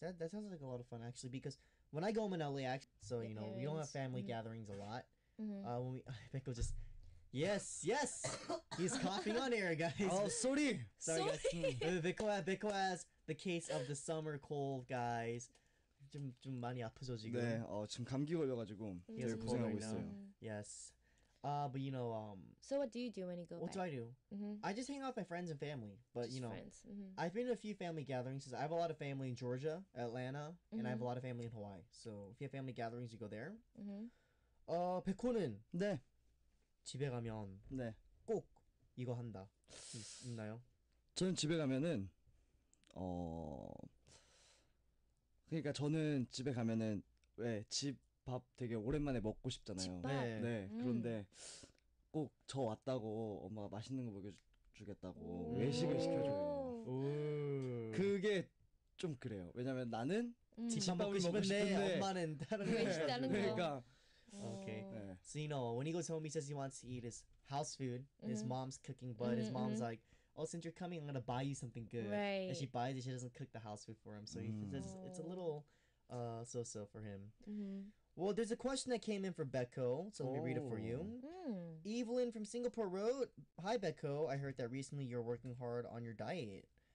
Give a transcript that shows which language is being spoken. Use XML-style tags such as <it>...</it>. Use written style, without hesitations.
<en>That sounds like a lot of fun, actually, because when I go home in LA, we don't have family gatherings a lot. Mm-hmm. Yes! He's coughing on air, guys. Oh, sorry! Sorry, guys. Baekho has the case of the summer cold, guys.</en> <ko>좀 많이 아프죠, 지금? 네, 지금 감기 걸려가지고 되게 고생하고 있어요.</ko> <en>Yes. But, you know... So what do you do when you go what back? What do? Mm-hmm. I just hang out with my friends and family. But, just you know, friends. Mm-hmm. I've been to a few family gatherings. I have a lot of family in Georgia, Atlanta, mm-hmm. and I have a lot of family in Hawaii. So if you have family gatherings, you go there. Mm-hmm.</en> <ko>백호는? 네. 집에 가면 네. 꼭 이거 한다. 있나요? 저는 집에 가면은 어 그러니까 저는 집에 가면은 왜 집 밥 되게 오랜만에 먹고 싶잖아요. 집 밥. 네. 그런데 꼭 저 왔다고 엄마가 맛있는 거 먹여주겠다고 외식을 시켜줘요. 그게 좀 그래요. 왜냐면 나는 집밥을 먹고 싶은데 엄마는 다른 거 외식하는 거. 그러니까</ko> <en>okay. So you know when he goes home, he says he wants to eat his house food. His mom's cooking, but his mom's like, "Oh, since you're coming, I'm gonna buy you something good." Right. And she buys it. She doesn't cook the house food for him, so he says it's a little so-so for him. Well, there's a question that came in for Baekho, so let me read it for you. Evelyn from Singapore wrote, "Hi Baekho, I heard that recently you're working hard on your diet.</en>